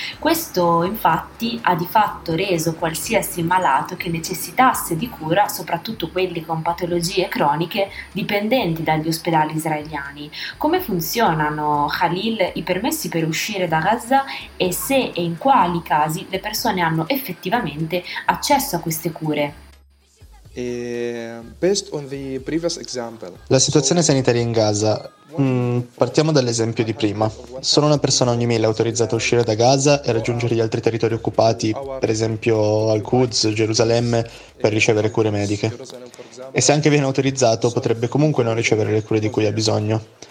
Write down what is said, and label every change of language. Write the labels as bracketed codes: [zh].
[it] Questo infatti ha di fatto reso qualsiasi malato che necessitasse di cura, soprattutto quelli con patologie croniche, dipendenti dagli ospedali israeliani. Come funzionano, Khalil, i permessi per uscire da Gaza e se e in quali casi le persone hanno effettivamente accesso a queste cure? [en] Based on the previous example. [it] La situazione sanitaria in Gaza. Partiamo dall'esempio di prima. Solo una persona ogni 1000 è autorizzata a uscire da Gaza e raggiungere gli altri territori occupati, per esempio Al-Quds, Gerusalemme, per ricevere cure mediche. E se anche viene autorizzato, potrebbe comunque non ricevere le cure di cui ha bisogno.